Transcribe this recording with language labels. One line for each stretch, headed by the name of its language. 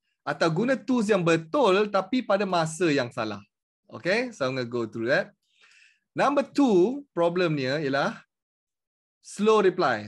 Malay: Atau guna tools yang betul tapi pada masa yang salah.
English: Okay, so I'm going to go through that. Number 2
Malay: problemnya ialah
English: slow reply.